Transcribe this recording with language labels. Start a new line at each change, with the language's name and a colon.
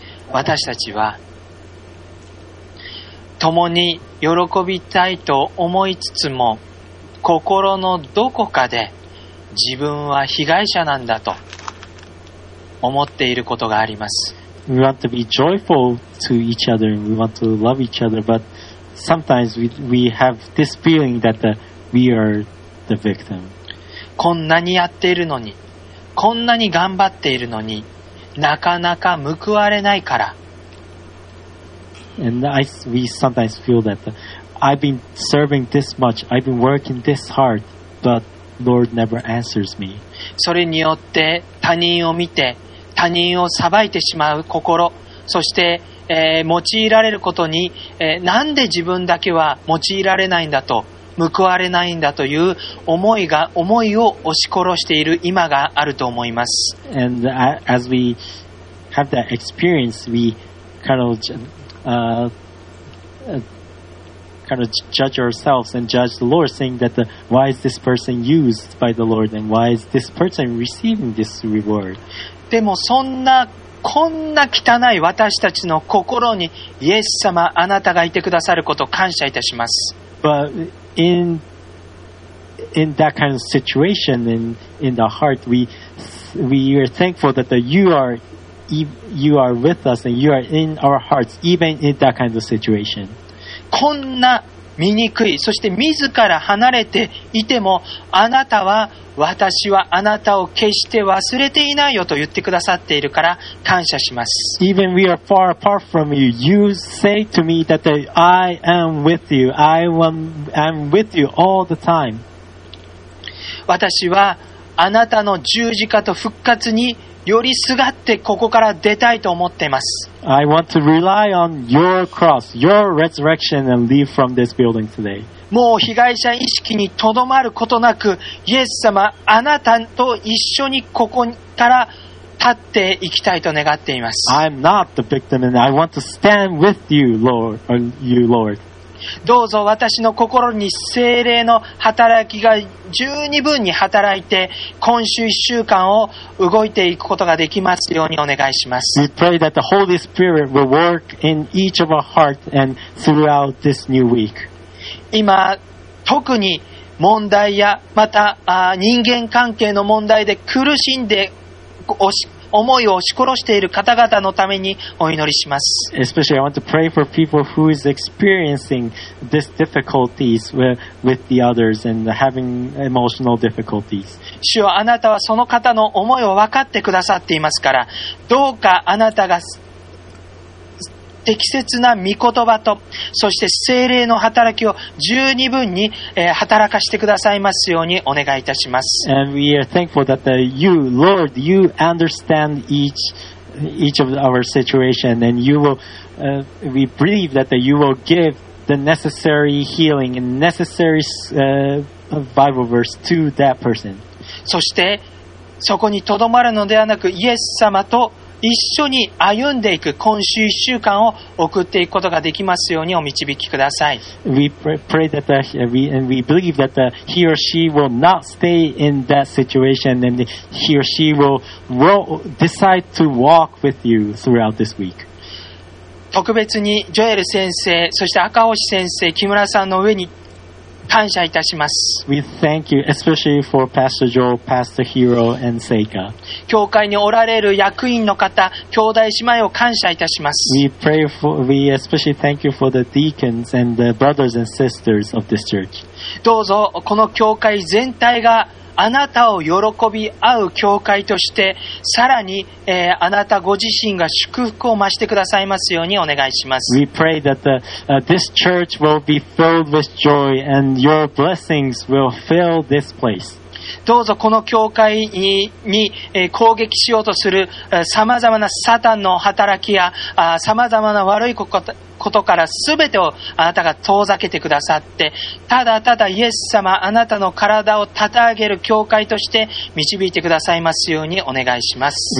Japanese: 私たちは共に喜びたいと思いつつも、心のどこかで自分は被害者なんだと思っていることがあります。
English: We want to be joyful to each other and we want to love each other, but sometimes we have this feeling that we are the victim.
Japanese: こんなにやっているのに、こんなに頑張っているのに、なかなか報われないから。
English: And we sometimes feel that I've been serving this much, I've been working this hard, but Lord never answers me.
Japanese: それによって他人を見て、他人を裁いてしまう心、そして、用いられることに、なんで自分だけは用いられないんだと、報われないんだという思いを押し殺している今があると思います。
English: And as we have that experience, we kind of judge ourselves and judge the Lord, saying that why is this person used by the Lord and why is this person receiving this reward?
Japanese: でもそんなこんな汚い私たちの心にイエス様あなたがいてくださることを感謝いたします。
English: But in that kind of situation in the heart we are thankful that you are with us and you are in our hearts even in that kind of situation.
Japanese: こんな醜い、そして自ら離れていても、あなたは、私はあなたを決して忘れていないよと言ってくださっているから感謝します。
English: Even we are far apart from you, you say to me that I am with you, I am with you all the time.
Japanese: 私はあなたの十字架と復活によりすがってここから出たいと思っています。
English: I want to rely on your cross, your resurrection and leave from this building today.
Japanese: もう被害者意識にとどまることなく、イエス様、あなたと一緒にここから立っていきたいと願っています。
English: I'm not the victim and I want to stand with you, Lord, or you, Lord.
Japanese: どうぞ私の心に聖霊の働きが十二分に働いて、今週一週間を動いていくことができますようにお願いします。
English: We pray that the Holy Spirit will work in each of our hearts and throughout this new week.
Japanese: 今特に問題や、また人間関係の問題で苦しんで思いを押し殺している方々のためにお祈りします。
English: Especially I want to pray for people who is experiencing this difficulties with the others and having emotional difficulties.
Japanese: 主よ、あなたはその方の思いを分かってくださっていますから、どうかあなたが適切な御言葉と、そして聖霊の働きを十二分に働かしてくださいますようにお願いいたします。
English: And we are thankful that you, Lord, you understand each of our situation and you will, we believe that you will give the necessary healing and necessary Bible verse to that person.
Japanese: そしてそこにとどまるのではなく、イエス様と一緒に歩んでいく今週1週間を送っていくことができますようにお導きください。
English: We pray that we believe that he or she will not stay in that situation and he or she will decide to walk with you throughout this week.
Japanese: 特別にジョエル先生、そして赤星先生、木村さんの上に感謝いたします。
English: We thank you especially for Pastor Joel, Pastor Hiro and Seika.
Japanese: 教会におられる役員の方、兄弟姉妹を感謝いたします。
English: We especially thank you for the deacons and the brothers and sisters of this church.
Japanese: どうぞこの教会全体があなたを喜び合う教会として、さらに、あなたご自身が祝福を増してくださいますようにお願いします。
English: We pray that this church will be filled with joy and your blessings will fill this place.
Japanese: どうぞこの教会に攻撃しようとするさまざまなサタンの働きや、さまざまな悪いことからすべてをあなたが遠ざけてくださって、ただただイエス様、あなたの体を立て上げる教会として導いてくださいますようにお願いします。